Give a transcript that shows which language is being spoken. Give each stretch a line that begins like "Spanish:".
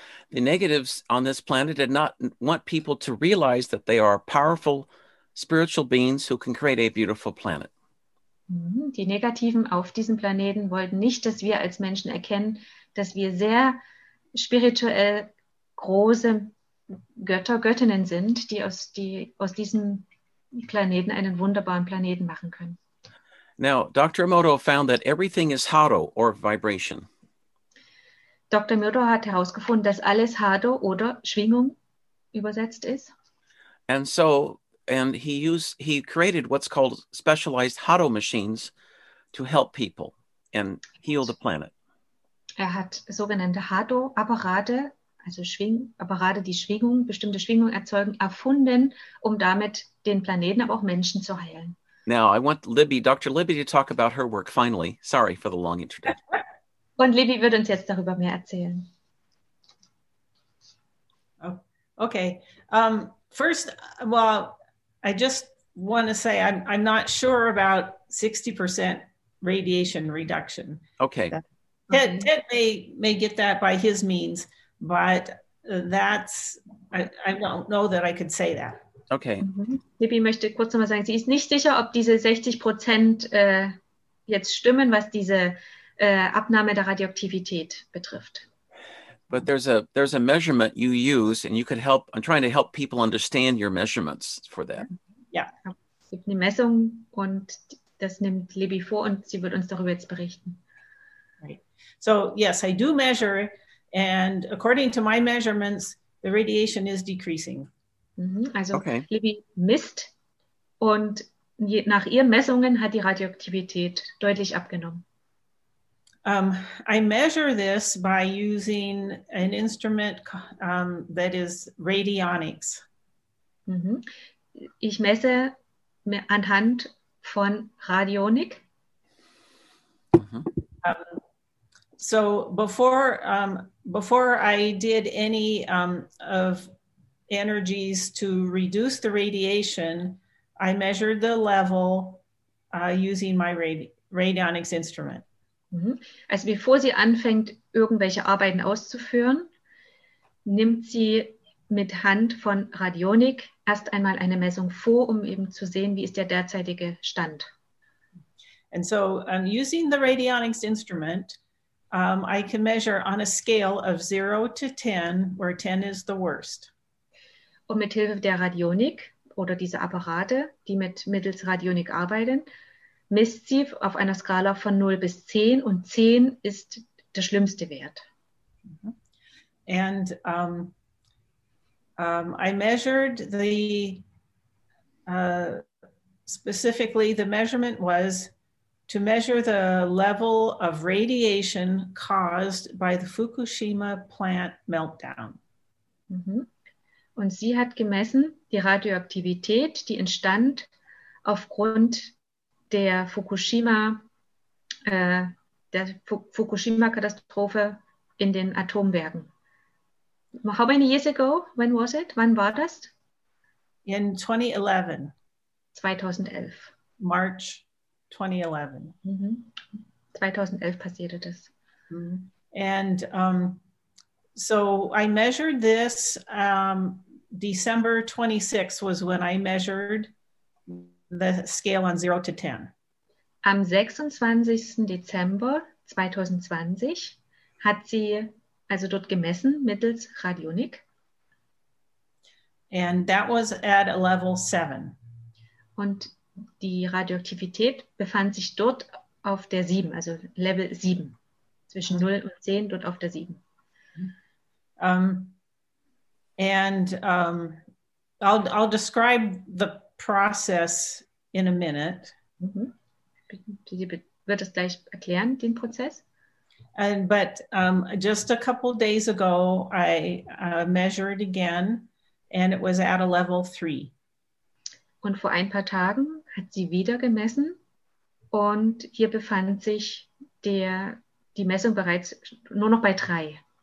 English: The negatives on this planet did not want people to realize that they are powerful spiritual beings who can create a beautiful planet.
German: Die Negativen auf diesem Planeten wollten nicht, dass wir als Menschen erkennen, dass wir sehr spirituell große Götter, Göttinnen sind, die aus diesem Planeten einen wunderbaren Planeten machen können.
English: Now, Dr. Emoto found that everything is hado or vibration.
German: Dr. Emoto hat herausgefunden, dass alles hado oder Schwingung übersetzt ist.
English: And so, and he created what's called specialized hado machines to help people and heal the planet.
German: Er hat sogenannte hado Apparate, also Apparate, die Schwingung, bestimmte Schwingung erzeugen, erfunden, um damit den Planeten, aber auch Menschen zu heilen.
English: Now, I want Libby, Dr. Libby, to talk about her work, finally. Sorry for the long introduction.
German: Und Libby wird uns jetzt darüber mehr erzählen.
English: Okay. First, well, I just want to say I'm not sure about 60% radiation reduction. Okay. Ted may get that by his means, but that's, I don't know that I could say that. Okay. Mm-hmm.
German: Libby möchte kurz nochmal sagen, sie ist nicht sicher, ob diese 60% jetzt stimmen, was diese Abnahme der Radioaktivität betrifft.
English: But there's a measurement you use, and you could help, I'm trying to help people understand your measurements for that.
German: Ja. Es gibt eine Messung, und das nimmt Libby vor, und sie wird uns darüber jetzt berichten.
English: Right. So, yes, I do measure, and according to my measurements, the radiation is decreasing.
German: Also okay. Libby misst und nach ihren Messungen hat die Radioaktivität deutlich abgenommen.
English: I measure this by using an instrument that is radionics.
German: Mm-hmm. Ich messe anhand von Radionik. Mm-hmm.
English: So before I did any of energies to reduce the radiation, I measured the level using my radionics instrument.
German: Also bevor sie anfängt, irgendwelche Arbeiten auszuführen, nimmt sie mit Hand von Radionik erst einmal eine Messung vor, um eben zu sehen, wie ist der derzeitige Stand.
English: And so using the radionics instrument, I can measure on a scale of 0 to 10, where 10 is the worst.
German: Und mit Hilfe der Radionik oder dieser Apparate, die mittels Radionik arbeiten, misst sie auf einer Skala von 0 bis 10 und 10 ist der schlimmste Wert.
English: And I measured the specifically the measurement was to measure the level of radiation caused by the Fukushima plant meltdown.
German: Und sie hat gemessen die Radioaktivität, die entstand aufgrund der Fukushima-Katastrophe in den Atomwerken.
English: How many years ago? When was it? Wann war das? In 2011. March 2011. Mm-hmm. 2011 passierte das. And so I measured this. December 26 was when I measured the scale on 0 to 10.
German: Am 26. Dezember 2020 hat sie also dort gemessen mittels Radionik.
English: And that was at a level 7.
German: Und die Radioaktivität befand sich dort auf der 7, also Level 7. Zwischen 0 und 10 dort auf der 7.
English: I'll describe the process in a minute.
German: Sie wird es gleich erklären, den Prozess.
English: But just a couple of days ago, I measured again, and it was at a level 3.
German: Und vor ein paar Tagen hat sie wieder gemessen, und hier befand sich die Messung bereits nur noch bei 3.